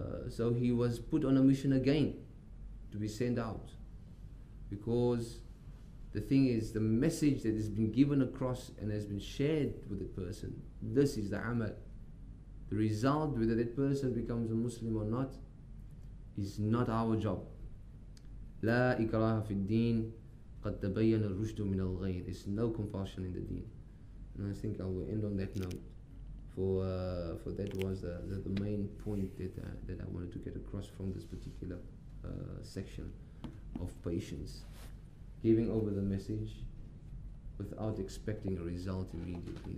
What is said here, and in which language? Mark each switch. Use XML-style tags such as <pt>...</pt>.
<en>So he was put on a mission again to be sent out, because the thing is, the message that has been given across and has been shared with the person, this is the amal. The result, whether that person becomes a Muslim or not, is not our job.</en> <ar>لا إكراه في الدين قد تبين الرشد من الغير.</ar> <en>There's no compulsion in the deen. And I think I will end on that note. For that was the main point that I wanted to get across from this particular section of patience, giving over the message without expecting a result immediately.</en>